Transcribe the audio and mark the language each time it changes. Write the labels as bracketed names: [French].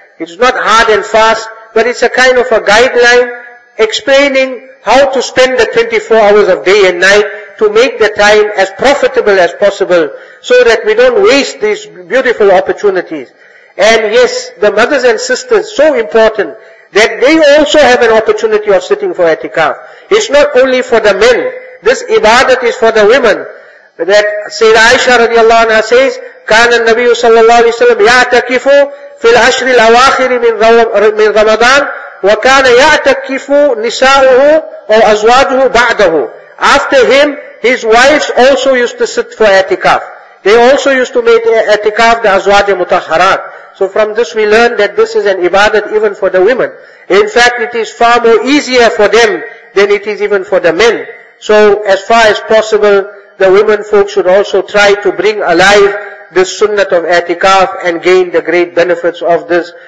[English] It's not hard and fast, but it's a kind of a guideline explaining how to spend the 24 hours of day and night to make the time as profitable as possible, so that we don't waste these beautiful opportunities. And yes, the mothers and sisters, so important, that they also have an opportunity of sitting for i'tikaf. It's not only for the men. This ibadat is for the women. [Arabic] That Sayyidah Aisha radiallahu anha says, كَانَ النَّبِيُّ صَلَّى اللَّهُ عَلَيْهِ وَسَلَّمْ يَعْتَكِفُ فِي الْعَشْرِ الْأَوَاخِرِ مِنْ رَمَضَانِ وَكَانَ يَعْتَكِفُ نِسَاؤُهُ أَوْ أَزْوَاجُهُ بَعْدَهُ. [English] After him, his wives also used to sit for i'tikaf. They also used to make i'tikaf the azwaj mutahharat. So from this we learn that this is an ibadat even for the women. In fact, it is far more easier for them than it is even for the men. So as far as possible, the women folk should also try to bring alive this sunnat of i'tikaf and gain the great benefits of this.